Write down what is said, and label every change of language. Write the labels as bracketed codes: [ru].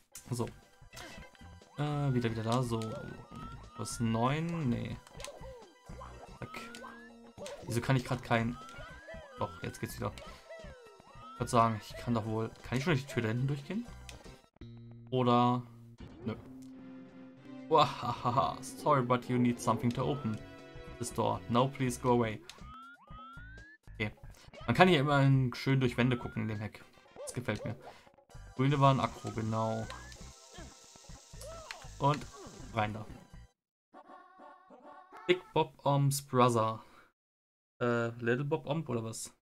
[de] So. Wieder da. So. Was? 9? Nee. Fuck. Wieso kann ich gerade keinen. Doch, jetzt geht's wieder. Ich würde sagen, ich kann doch wohl. Kann ich schon durch die Tür da hinten durchgehen? Oder. Nö. Wahaha. [en] Sorry, but you need something to open this door. Now please go away. Okay. [de] Man kann hier immerhin schön durch Wände gucken in dem Hack. Das gefällt mir. Grüne waren Akro, genau. Und rein da. Big Bob Oms Brother. Little Bob Omb oder was?